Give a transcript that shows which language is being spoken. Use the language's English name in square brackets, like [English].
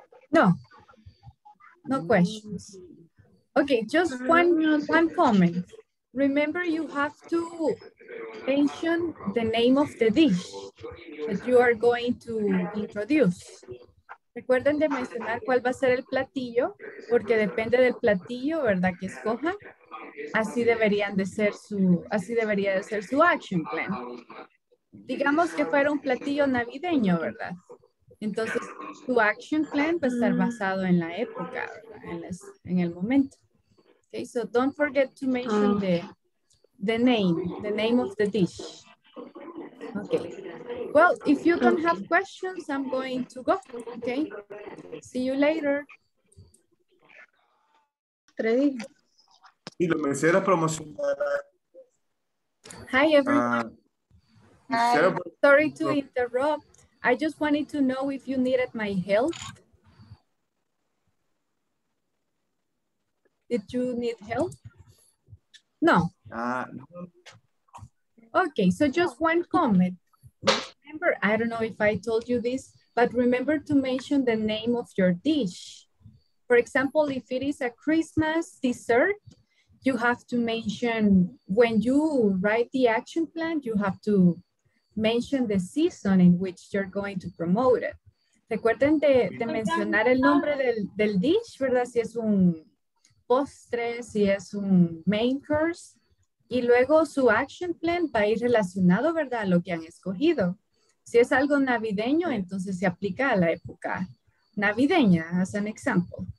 [English] No. No questions. Okay, just one comment. Remember, you have to mention the name of the dish that you are going to introduce. [Spanish] Recuerden de mencionar cuál va a ser el platillo, porque depende del platillo, ¿verdad? Que escoja. Así deberían de ser su action plan. Digamos que fuera un platillo navideño, ¿verdad? Entonces, tu action plan va a estar basado en la época, en el momento. [English] Okay, so don't forget to mention the name of the dish. Okay. Well, if you don't have questions, I'm going to go. Okay. See you later. [Spanish] Y la mesera promoción. [English] Hi, everyone. Hi. Sorry to interrupt. I just wanted to know if you needed my help. Did you need help? No. Okay, so just one comment. Remember, I don't know if I told you this, but remember to mention the name of your dish. For example, if it is a Christmas dessert, you have to mention, when you write the action plan, you have to mention the season in which you're going to promote it. [Spanish] Recuerden de mencionar el nombre del dish, ¿verdad? Si es un postre, si es un main course. Y luego su action plan va a ir relacionado, ¿verdad? A lo que han escogido. Si es algo navideño, entonces se aplica a la época navideña, [English] as an example.